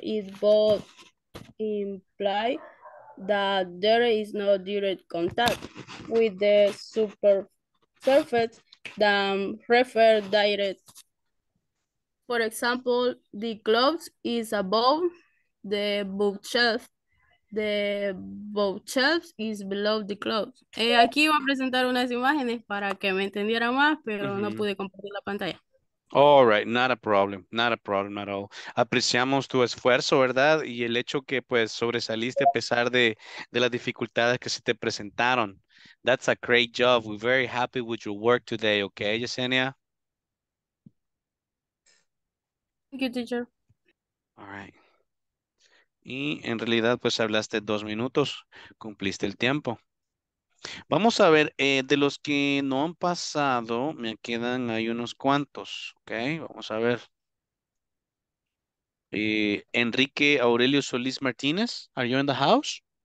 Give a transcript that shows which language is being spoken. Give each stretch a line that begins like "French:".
English: Is both imply that there is no direct contact with the super surface than refer direct. For example, the clothes is above the bookshelf. The bookshelf is below the clothes.
Spanish: Aquí iba a presentar unas imágenes para que me entendiera más, pero no pude compartir la pantalla.
English: All right, not a problem at all.
Spanish: Apreciamos tu esfuerzo, ¿verdad? Y el hecho que, pues, sobresaliste a pesar de las dificultades que se te presentaron.
English: That's a great job. We're very happy with your work today, okay, Yesenia? Thank you, teacher. All right.
Spanish: Y en realidad, pues, hablaste 2 minutos. Cumpliste el tiempo. Vamos a ver, de los que no han pasado, me quedan ahí unos cuantos, ¿ok? Vamos a ver.
English: Enrique Aurelio Solís Martínez, are you in the house?